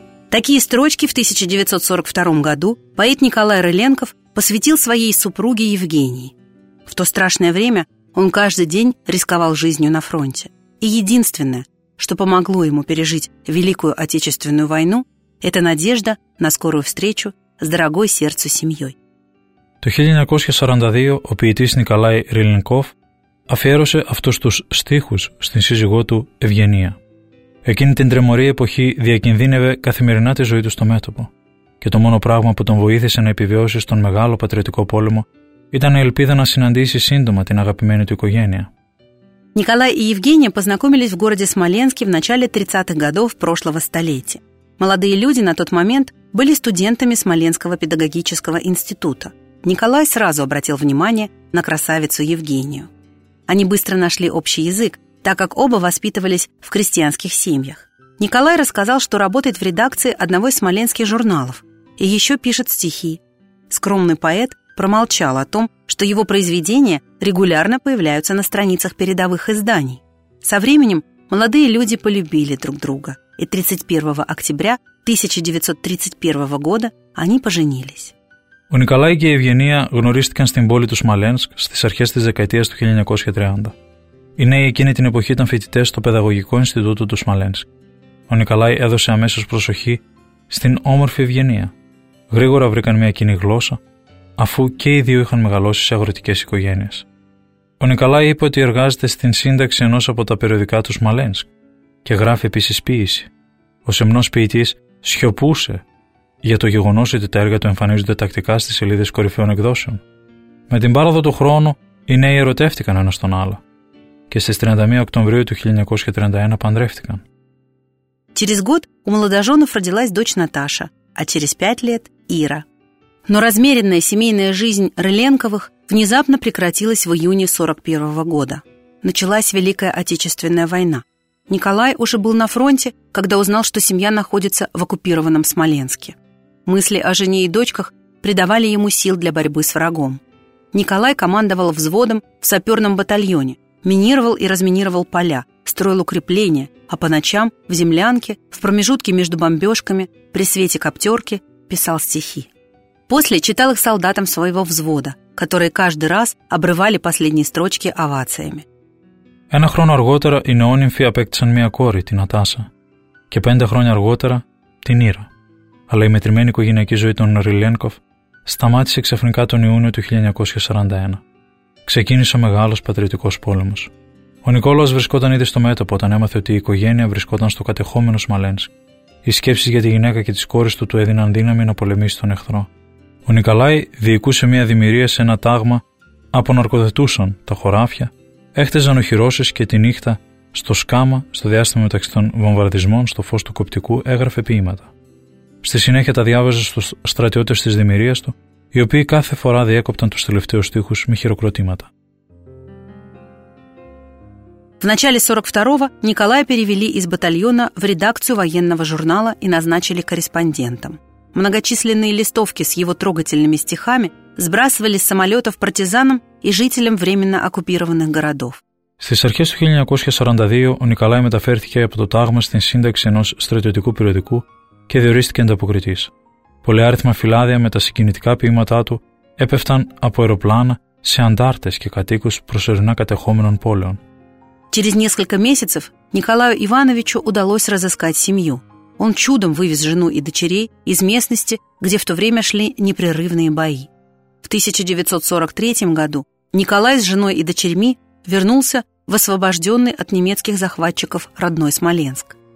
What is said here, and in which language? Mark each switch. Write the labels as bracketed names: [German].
[Russian] Такие строчки в 1942 году поэт Николай Рыленков посвятил своей супруге Евгении. В то страшное время он каждый день рисковал жизнью на фронте. И единственное, что помогло ему пережить Великую Отечественную войну, это надежда на скорую встречу с дорогой сердцу семьей. [Greek] Το 1942 ο ποιητής Николай Рыленков αφιέρωσε αυτούς τους στίχους στην σύζυγό του Ευγενία. Εκείνη την τρεμωρή εποχή διακινδύνευε καθημερινά τη ζωή του στο μέτωπο και το μόνο πράγμα που τον βοήθησε να επιβιώσει στον μεγάλο πατριωτικό πόλεμο ήταν η ελπίδα να συναντήσει σύντομα την αγαπημένη του οικογένεια. [Russian] Николай и Евгения познакомились в городе Смоленске в начале 30-х годов прошлого столетия. Молодые люди на тот момент были студентами Смоленского педагогического института. Николай сразу обратил внимание на красавицу Евгению. Они быстро нашли общий язык, так как оба воспитывались в крестьянских семьях. Николай рассказал, что работает в редакции одного из смоленских журналов и еще пишет стихи. Скромный поэт промолчал о том, что его произведения регулярно появляются на страницах передовых изданий. Со временем молодые люди полюбили друг друга, и 31 октября 1931 года они поженились. [Greek] Ο Νικολάη και η Ευγενία γνωρίστηκαν στην πόλη του Σμαλένσκ στις αρχές της δεκαετίας του 1930. Οι νέοι εκείνη την εποχή ήταν φοιτητές στο Παιδαγωγικό Ινστιτούτο του Σμαλένσκ. Ο Νικολάη έδωσε αμέσως προσοχή στην όμορφη Ευγενία. Γρήγορα βρήκαν μια κοινή γλώσσα, αφού και οι δύο είχαν μεγαλώσει σε αγροτικές οικογένειες. Ο Νικολάη είπε ότι εργάζεται στην σύνταξη ενός από τα περιοδικά του Σμαλένσκ και γράφει επίσης ποίηση. Ο σεμνός ποιητής σιωπούσε για το γεγονός ότι τα έργα του εμφανίζονται τακτικά στις σελίδες κορυφαίων εκδόσεων. Με την πάροδο του χρόνου, οι νέοι ερωτεύτηκαν ένας τον άλλο και στις 31 Οκτωβρίου του 1931 παντρεύτηκαν. [Russian] Через год у молодоженов родилась дочь Наташа, а через 5 лет – Ира. Но размеренная семейная жизнь Рыленковых внезапно прекратилась в июне 41-го года. Началась Великая Отечественная война. Николай уже был на фронте, когда узнал, что семья находится в оккупированном Смоленске. Мысли о жене и дочках придавали ему сил для борьбы с врагом. Николай командовал взводом в саперном батальоне, минировал и разминировал поля, строил укрепления, а по ночам, в землянке, в промежутке между бомбежками, при свете коптерки, писал стихи. После читал их солдатам своего взвода, которые каждый раз обрывали последние строчки овациями. [Greek] Ένα χρόνο αργότερα οι νεόνυμφοι απέκτησαν μία κόρη, την Νατάσα, και 5 χρόνια αργότερα την Ήρα. Αλλά η μετρημένη οικογενειακή ζωή των Ριλένκοφ σταμάτησε ξαφνικά τον Ιούνιο του 1941. Ξεκίνησε ο μεγάλος πατριωτικός πόλεμος. Ο Νικόλαος βρισκόταν ήδη στο μέτωπο όταν έμαθε ότι η οικογένεια βρισκόταν στο κατεχόμενο Σμαλένσκ. Οι σκέψεις για τη γυναίκα και τις κόρες του του έδιναν δύναμη να πολεμήσει τον εχθρό. Ο Νικολάη διοικούσε μία δημιουργία σε ένα τάγμα από ναρκοθετούσαν τα χωράφια. Έχτεζαν οχυρώσεις και τη νύχτα στο σκάμα, στο διάστημα μεταξύ των βομβαρδισμών, στο φως του κοπτικού, έγραφε ποίηματα. Στη συνέχεια τα διάβαζε στους στρατιώτες της δημιουργίας του, οι οποίοι κάθε φορά διέκοπταν τους τελευταίους στίχους με χειροκροτήματα. [Russian] В начале 42-го Николая перевели из батальона в редакцию военного журнала и назначили корреспондентом. Многочисленные листовки с его трогательными стихами сбрасывали с самолетов партизанам и жителям временно оккупированных городов. [Greek] Στις αρχές του 1942 ο Νικολάη μεταφέρθηκε από το τάγμα στην σύνταξη ενός στρατιωτικού περιοδικού και διορίστηκε ανταποκριτής. Πολυάριθμα φυλάδια με τα συγκινητικά ποίηματά του έπεφταν από αεροπλάνα σε αντάρτες και κατοίκους προσωρινά κατεχόμενων πόλεων. [Russian] Через несколько месяцев Николаю Ивановичу удалось разыскать семью. Он чудом вывез жену и дочерей из местности, где в то время шли непрерывные бои. В 1943 году Николай с женой и дочерьми вернулся в освобожденный от немецких захватчиков родной Смоленск.